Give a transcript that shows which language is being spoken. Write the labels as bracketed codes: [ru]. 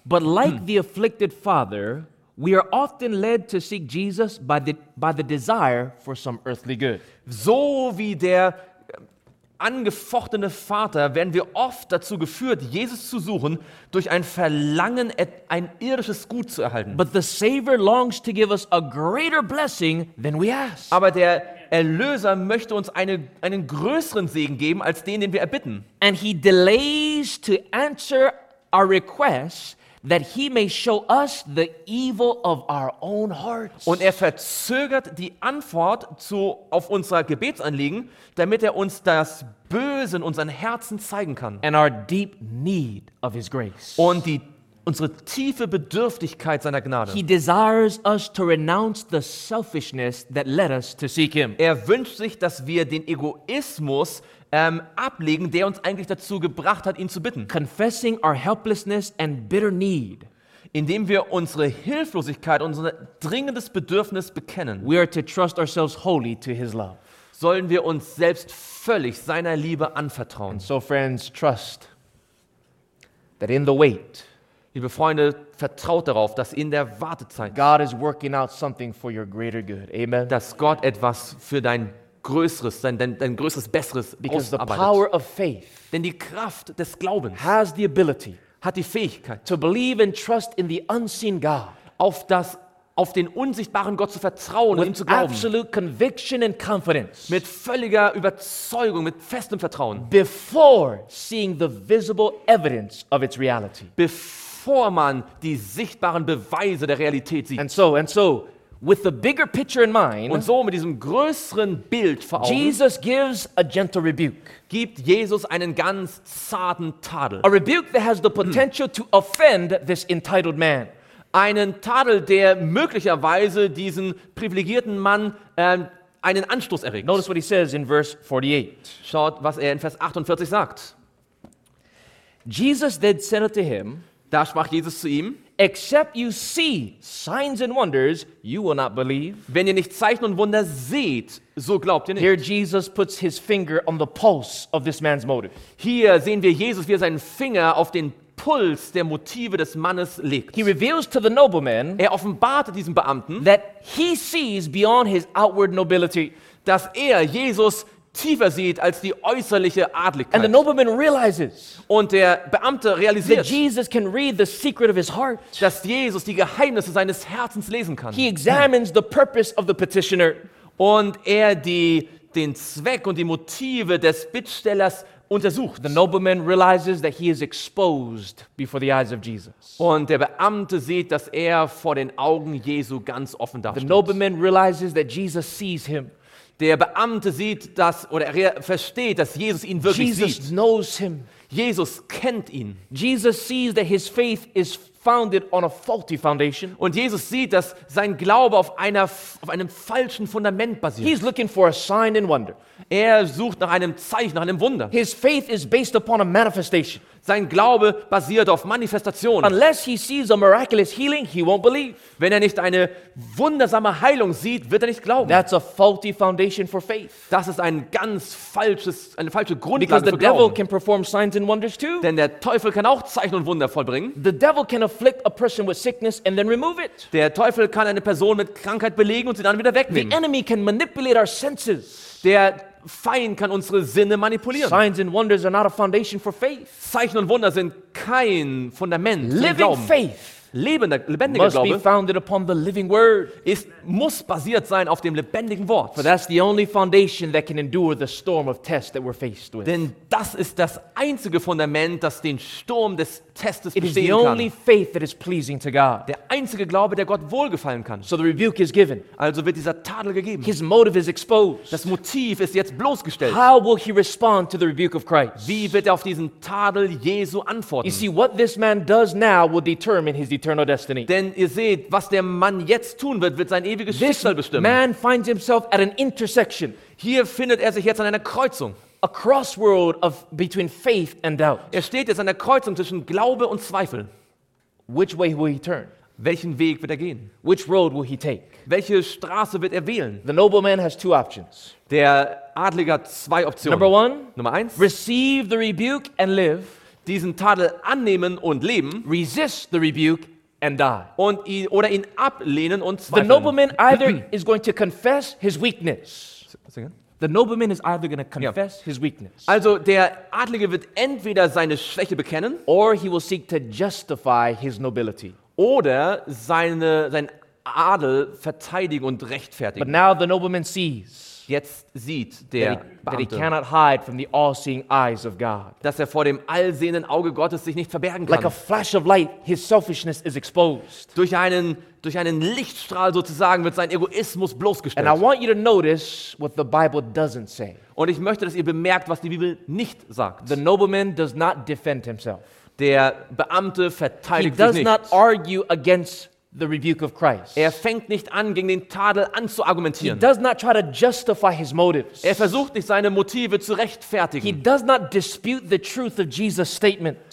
[en] But like the afflicted father, we are often led to seek Jesus by the desire for some earthly good. [de] So wie der angefochtene Vater werden wir oft dazu geführt, Jesus zu suchen, durch ein Verlangen, ein irdisches Gut zu erhalten. [en] But the Savior longs to give us a greater blessing than we ask. [de] Aber der Erlöser möchte uns einen größeren Segen geben als den wir erbitten. [en] And He delays to answer our requests, that He may show us the evil of our own hearts. [de] Und er verzögert die Antwort auf unser Gebetsanliegen, damit er uns das Böse in unseren Herzen zeigen kann. [en] And our deep need of His grace. [de] Und unsere tiefe Bedürftigkeit seiner Gnade. [en] He desires us to renounce the selfishness that led us to seek Him. [de] Er wünscht sich, dass wir den Egoismus ablegen, der uns eigentlich dazu gebracht hat, ihn zu bitten. [en] Confessing our helplessness and bitter need. [de] Indem wir unsere Hilflosigkeit, unser dringendes Bedürfnis bekennen. [en] We are to trust ourselves wholly to His love. [de] Sollen wir uns selbst völlig seiner Liebe anvertrauen. [en] And so friends, trust that in the wait, [de] liebe Freunde, vertraut darauf, dass in der Wartezeit [en] God is working out something for your greater good. Amen. [de] Dass Gott etwas für dein größeres, dein größeres, besseres [en] Because the power of faith [de] denn die Kraft des Glaubens [en] has the ability [de] hat die Fähigkeit, [en] to believe and trust in the unseen God, [de] auf den unsichtbaren Gott zu vertrauen und ihm zu glauben. [en] With absolute conviction and confidence. [de] Mit völliger Überzeugung, mit festem Vertrauen. [en] Before seeing the visible evidence of its reality. [de] Bevor man die sichtbaren Beweise der Realität sieht. [en] And so, with the bigger picture in mind, [de] und so mit diesem größeren Bild vor Augen, [en] Jesus gives a gentle rebuke. [de] Gibt Jesus einen ganz zarten Tadel. [en] A rebuke that has the potential to offend this entitled man. [de] Einen Tadel, der möglicherweise diesen privilegierten Mann einen Anstoß erregt. [en] Notice what he says in verse 48. [de] Schaut, was er in Vers 48 sagt. [en] Jesus then said to him, [de] da sprach Jesus zu ihm, [en] except you see signs and wonders, you will not believe. [de] Wenn ihr nicht Zeichen und Wunder seht, so glaubt ihr nicht. [en] Here Jesus puts his finger on the pulse of this man's motive. [de] Hier sehen wir Jesus, wie er seinen Finger auf den Puls der Motive des Mannes legt. [en] He reveals to the nobleman, [de] er offenbarte diesem Beamten, [en] that he sees beyond his outward nobility, [de] dass er Jesus tiefer sieht als die äußerliche Adligkeit. [en] And the nobleman realizes, [de] und der Beamte realisiert, [en] that Jesus can read the secret of his heart, [de] dass Jesus die Geheimnisse seines Herzens lesen kann. [en] He examines the purpose of the petitioner, [de] und er den Zweck und die Motive des Bittstellers untersucht. [en] The nobleman realizes that he is exposed before the eyes of Jesus. [de] Und der Beamte sieht, dass er vor den Augen Jesu ganz offen dasteht. [en] The nobleman realizes that Jesus sees him. [de] Der Beamte sieht das, oder er versteht, dass Jesus ihn wirklich Jesus sieht. [en] Jesus knows him. [de] Jesus kennt ihn. [en] Jesus sees that his faith is founded on a faulty foundation. [de] Und Jesus sieht, dass sein Glaube auf einem falschen Fundament basiert. [en] He's looking for a sign and wonder. [de] Er sucht nach einem Zeichen, nach einem Wunder. [en] His faith is based upon a manifestation. [de] Sein Glaube basiert auf Manifestation. [en] Unless he sees a miraculous healing, he won't believe. [de] Wenn er nicht eine wundersame Heilung sieht, wird er nicht glauben. [en] That's a faulty foundation for faith. [de] Das ist eine falsche Grundlage für Glauben. [en] Because the devil can perform signs and wonders too. [de] Denn der Teufel kann auch Zeichen und Wunder vollbringen. [en] The devil can afflict a person with sickness and then remove it. [de] Der Teufel kann eine Person mit Krankheit belegen und sie dann wieder wegnehmen. [en] The enemy can manipulate our senses. [de] Der Feind kann unsere Sinne manipulieren. [en] Signs and wonders are not a foundation for faith. [de] Zeichen und Wunder sind kein Fundament für [en] Living [de] Glauben. [en] Faith [de] lebendiger [en] must [de] Glaube [en] be founded upon the living word. [de] Muss basiert sein auf dem lebendigen Wort. [en] For that's the only foundation that can endure the storm of test that we're faced with. [de] Denn das ist das einzige Fundament, das den Sturm des Testes bestehen kann. [en] It is the only faith that is pleasing to God. [de] Der einzige Glaube, der Gott wohlgefallen kann. [en] So the rebuke is given. [de] Also wird dieser Tadel gegeben. [en] His motive is exposed. [de] Das Motiv ist jetzt bloßgestellt. [en] How will he respond to the rebuke of Christ? [de] Wie wird er auf diesen Tadel Jesu antworten? [en] You see, what this man does now will determine his eternal destiny. [de] Denn ihr seht, was der Mann jetzt tun wird, wird sein ewiges Schicksal bestimmen. [en] Man finds himself at an intersection. [de] Hier findet er sich jetzt an einer Kreuzung. [en] A crossroad of between faith and doubt. [de] Er steht jetzt an der Kreuzung zwischen Glaube und Zweifel. [en] Which way will he turn? [de] Welchen Weg wird er gehen? [en] Which road will he take? [de] Welche Straße wird er wählen? [en] The nobleman has two options. [de] Der Adlige hat zwei Optionen. [en] Number one, [de] Nummer eins. [en] Receive the rebuke and live. [de] Diesen Tadel annehmen und leben. [en] Resist the rebuke and die. [de] Oder ihn ablehnen und zweifeln. [en] The nobleman either is going to confess his weakness. Again. The nobleman is either going to confess his weakness. [de] Also der Adlige wird entweder seine Schwäche bekennen, [en] or he will seek to justify his nobility. [de] Oder sein Adel verteidigen und rechtfertigen. [en] But now the nobleman sees. [de] Jetzt sieht der Beamte, [en] that he cannot hide from the all-seeing eyes of God, [de] dass er vor dem allsehenden Auge Gottes sich nicht verbergen kann. [en] Like a flash of light, his selfishness is exposed. [de] Durch einen Lichtstrahl sozusagen wird sein Egoismus bloßgestellt. [en] And I want you to notice what the Bible doesn't say. [de] Und ich möchte, dass ihr bemerkt, was die Bibel nicht sagt. [en] The nobleman does not defend himself. [de] Der Beamte verteidigt sich nicht. [en] He does not argue against the rebuke of Christ. [de] Er fängt nicht an, gegen den Tadel anzuargumentieren. [en] He does not try to justify his motives. [de] Er versucht nicht, seine Motive zu rechtfertigen. [en] He does not dispute the truth of Jesus' statement.